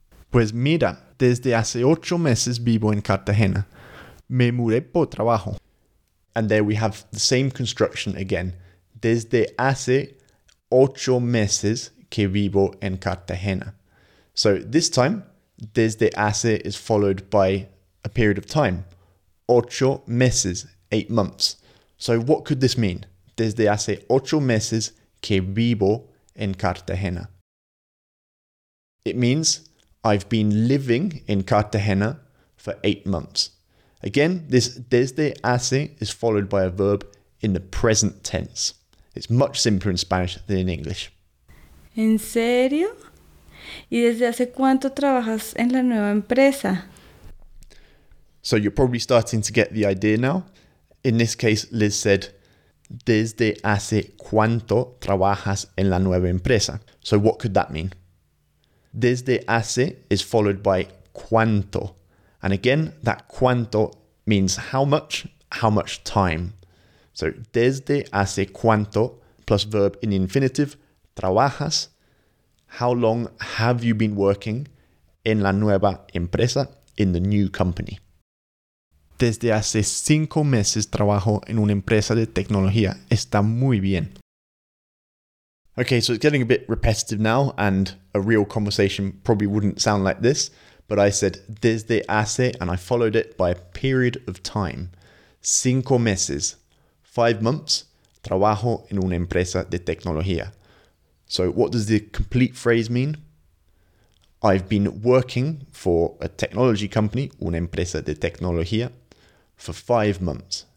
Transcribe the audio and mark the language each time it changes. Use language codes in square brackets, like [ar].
[es] Pues mira, desde hace 8 meses vivo en Cartagena. Me mudé por trabajo. [en] And there we have the same construction again. [es] Desde hace 8 meses que vivo en Cartagena. [en] So this time, desde hace is followed by a period of time. [es] 8 meses, [en] 8 months. So what could this mean? [es] Desde hace 8 meses que vivo en Cartagena. [en] It means I've been living in Cartagena for 8 months. Again, this desde hace is followed by a verb in the present tense. It's much simpler in Spanish than in English. [es] ¿En serio? ¿Y desde hace cuánto trabajas en la nueva empresa? [en] So you're probably starting to get the idea now. In this case, Liz said, [es] ¿Desde hace cuánto trabajas en la nueva empresa? [en] So what could that mean? Desde hace is followed by cuánto. And again, that cuánto means how much time. So desde hace cuánto plus verb in the infinitive, trabajas. How long have you been working [es] en la nueva empresa, [en] in the new company? [es] Desde hace 5 meses trabajo en una empresa de tecnología. Está muy bien. [en] Okay, so it's getting a bit repetitive now, and a real conversation probably wouldn't sound like this, but I said desde hace, and I followed it by a period of time. [es] 5 meses, 5 months, trabajo en una empresa de tecnología. [en] So what does the complete phrase mean? I've been working for a technology company, [es] una empresa de tecnología, [en] for 5 months.